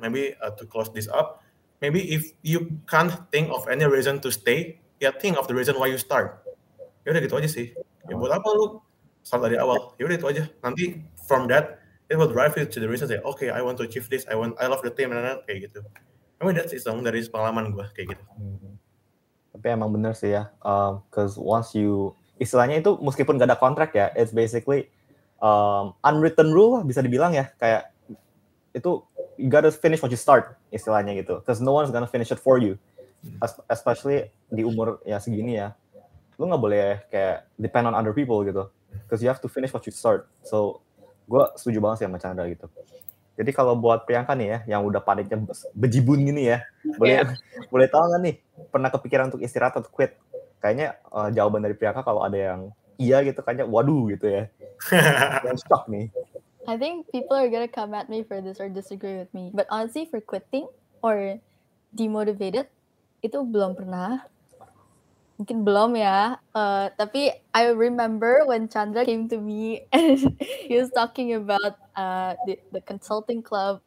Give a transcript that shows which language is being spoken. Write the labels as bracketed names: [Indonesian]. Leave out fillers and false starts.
[English] Maybe to close this up, maybe if you can't think of any reason to stay, ya think of the reason why you start. [Indonesian] Ya udah gitu aja sih. Ya buat apa lu start dari awal? Ya udah itu aja. [English] Nanti from that, it will drive you to the reason. Say, okay, I want to achieve this. I love the team. And then, [Indonesian] kayak gitu. [English] I mean, that's it. [Indonesian] Dari pengalaman gue kayak gitu. Tapi emang benar sih ya. [English] Because once you, [Indonesian] istilahnya itu meskipun gak ada kontrak ya, [English] it's basically unwritten rule [Indonesian] lah bisa dibilang ya. Kayak itu [English] you gotta finish what you start, [Indonesian] istilahnya gitu, [English] because no one's gonna finish it for you, especially [Indonesian] di umur ya segini ya. lu gak boleh kayak [English] depend on other people [Indonesian] gitu. [English] Because you have to finish what you start. [Indonesian] So, gue setuju banget sih sama Chandra gitu. Jadi kalau buat Priyanka nih ya, yang udah paniknya bejibun gini ya, boleh boleh tahu gak nih, pernah kepikiran untuk istirahat atau quit? Kayaknya jawaban dari Priyanka kalau ada yang iya gitu, kayaknya waduh gitu ya. Yang shock nih. [English] I think people are gonna come at me for this or disagree with me. But honestly, for quitting or demotivated, [Indonesian] itu belum pernah. Mungkin belum ya. Tapi [English] I remember when Chandra came to me and he was talking about the consulting club.